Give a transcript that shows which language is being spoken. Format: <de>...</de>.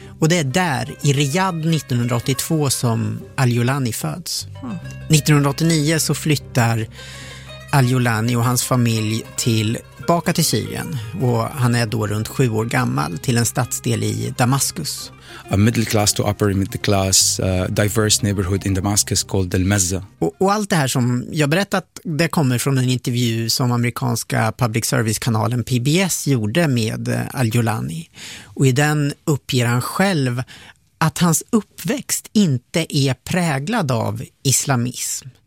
<sv>Och det är där, i Riyadh 1982, som Al-Julani föds. 1989 så flyttar Al-Julani och hans familj tillbaka till Syrien. Och han är då runt 7 år gammal, till en stadsdel i Damaskus.</sv> <en>A middle class to upper middle class diverse neighborhood in Damascus called El Mezza.</en> <sv>Och allt det här som jag berättat, det kommer från en intervju som amerikanska public service-kanalen PBS gjorde med Al-Julani. Och i den uppger han själv att hans uppväxt inte är präglad av islamism.</sv>